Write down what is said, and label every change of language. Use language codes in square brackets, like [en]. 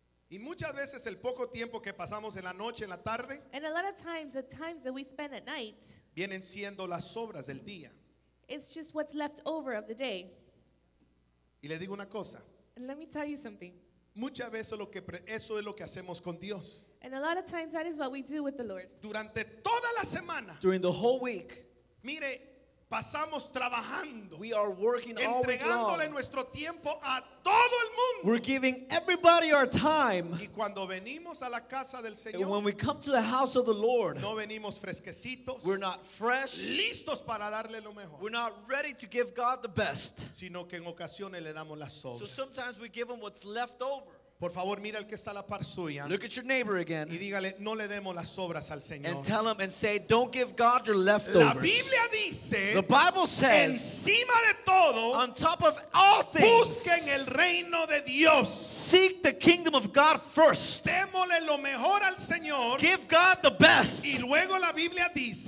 [es] Y muchas veces el poco tiempo que pasamos en la noche, en la tarde, [en] and a lot of times, the times that we spend at night, [es] vienen siendo las sobras del día. [en] It's just what's left over of the day. [es] Y le digo una cosa. [en] And let me tell you something. [es] Muchas veces eso es lo que hacemos con Dios. [en] And a lot of times that is what we do with the Lord. [es] Durante toda la semana. [en] During the whole week. [es] Mire, pasamos trabajando. [en] We are working all week long. [es] Entregándole nuestro tiempo a todo el mundo. [en] We're giving everybody our time. [es] Y cuando venimos a la casa del Señor, [en] and when we come to the house of the Lord, [es] no venimos fresquecitos. [en] We're not fresh. [es] Listos para darle lo mejor. [en] We're not ready to give God the best. [es] Sino que en ocasiones le damos las sobras. [en] So sometimes we give him what's left over. [es] Por favor, mira el que está a la par suya. [en] Look at your neighbor again. [es] Y dígale, no le demos las sobras al Señor. [en] And tell him and say, don't give God your leftovers. [es] La Biblia dice, [en] the Bible says, [es] encima de todo, [en] on top of all things, [es] busquen el reino de Dios. [en] Seek the kingdom of God first. [es] Démosle lo mejor al Señor. [en] Give God the best. [es] Y luego la Biblia dice,